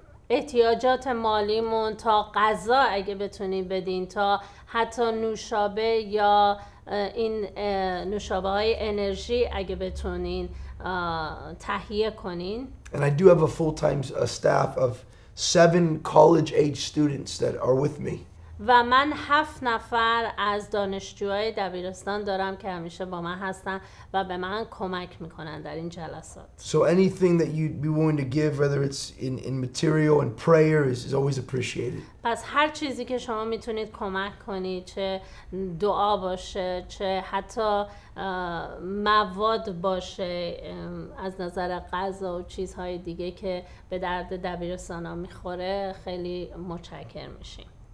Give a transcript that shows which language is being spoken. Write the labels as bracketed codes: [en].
[fa] احتیاجات مالیمون تا غذا اگه بتونیم بدین تا حتی نوشابه یا این نوشابه های انرژی اگه بتونین تهیه کنین. [en] And I do have a full-time staff of 7 college-age students that are with me. [fa] و من 7 نفر از دانشجوهای دبیرستان دارم که همیشه با من هستن و به من کمک میکنن در این جلسات. [en] So anything that you'd be willing to give, whether it's in material and prayer, is always appreciated. [fa] پس هر چیزی که شما میتونید کمک کنید، چه دعا باشه، چه حتی مواد باشه از نظر غذا و چیزهای دیگه که به درد دبیرستان ها میخوره، خیلی متشکر میشیم.